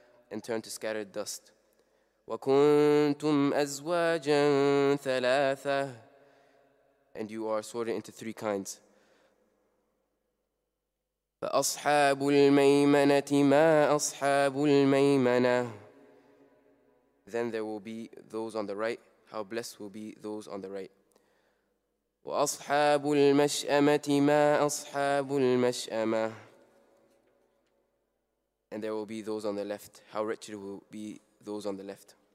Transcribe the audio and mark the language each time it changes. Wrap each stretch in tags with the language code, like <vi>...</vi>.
<en>And turned to scattered dust.</en> <ar>وَكُنْتُمْ أَزْوَاجًا ثَلَاثَةً.</ar> <en>And you are sorted into three kinds.</en> <ar>فأصحاب الميمنة ما أصحاب الميمنة.</ar> <en>Then there will be those on the right. How blessed will be those on the right.</en> <ar>وأصحاب المشأمة ما أصحاب المشأمة.</ar> <en>And there will be those on the left. How wretched will be those on the left.</en>